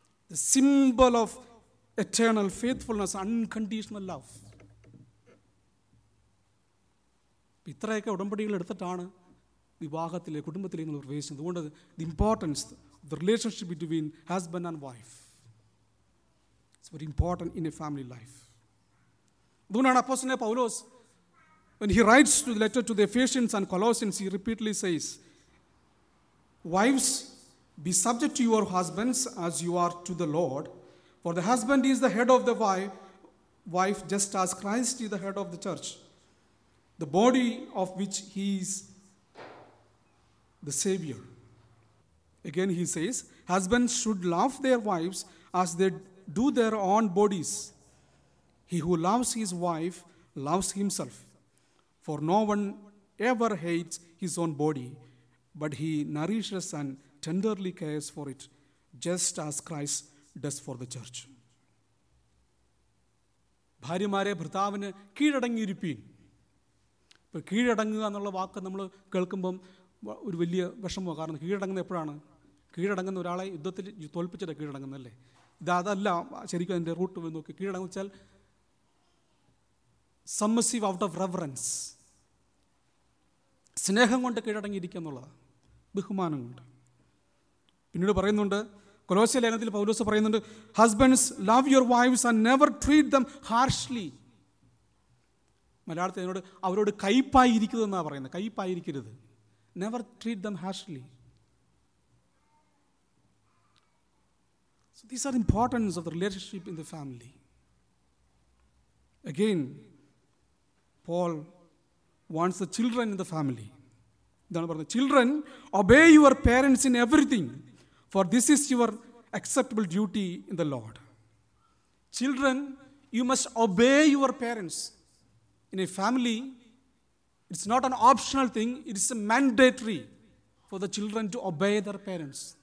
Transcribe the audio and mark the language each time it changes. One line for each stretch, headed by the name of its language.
English: The symbol of eternal faithfulness, unconditional love.
Malayalam: ഇത്രയൊക്കെ ഉടമ്പടികൾ എടുത്തിട്ടാണ് വിവാഹത്തിലെ കുടുംബത്തിലെ നിങ്ങൾ പ്രവേശിച്ചത്. അതുകൊണ്ട്
English: The importance the relationship between husband and wife it's very important in a family life.
Malayalam: അതുകൊണ്ടാണ് അപ്പോസ്തലനായ പൗലോസ്
English: when he writes to the letter to the Ephesians and Colossians, he repeatedly says, wives, be subject to your husbands as you are to the Lord, for the husband is the head of the wife just as Christ is the head of the church, the body of which he is the savior. Again he says, husbands should love their wives as they do their own bodies. He who loves his wife loves himself. For no one ever hates his own body, but he nourishes and tenderly cares for it, just as Christ does for the church.
Malayalam: ഭാര്യമാരെ ഭർത്താവിന് കീഴടങ്ങിയിരിപ്പീൻ. ഇപ്പോൾ കീഴടങ്ങുക എന്നുള്ള വാക്ക് നമ്മൾ കേൾക്കുമ്പം ഒരു വലിയ വിഷമമാണ്. കാരണം കീഴടങ്ങുന്നത് എപ്പോഴാണ്? കീഴടങ്ങുന്ന ഒരാളെ യുദ്ധത്തിൽ തോൽപ്പിച്ചിട്ട് കീഴടങ്ങുന്നല്ലേ. ഇത് അതല്ല ശരിക്കും അതിൻ്റെ റൂട്ട് നോക്കി. കീഴടങ്ങുന്ന വെച്ചാൽ
English: submissive out of reverence,
Malayalam: സ്നേഹം കൊണ്ട് കീഴടങ്ങിയിരിക്കുക എന്നുള്ളതാണ്, ബഹുമാനം കൊണ്ട്. പിന്നീട് പറയുന്നുണ്ട് കൊലോസ്യ ലേഖനത്തിൽ പൗലോസ് പറയുന്നുണ്ട്,
English: Husbands love your wives and never treat them harshly.
Malayalam: മലയാളത്തിൽ അതിനോട് അവരോട് കയ്പായിരിക്കരുതെന്നാണ് പറയുന്നത്. കയ്പായിരിക്കരുത്,
English: Never treat them harshly. So these are importance of the relationship in the family. Again Paul wants the children in the family.
Malayalam: ഇതാണ് പറയുന്നത്,
English: Children obey your parents in everything for this is your acceptable duty in the Lord. Children, you must obey your parents. In a family, it's not an optional thing, it is a mandatory for the children to obey their parents.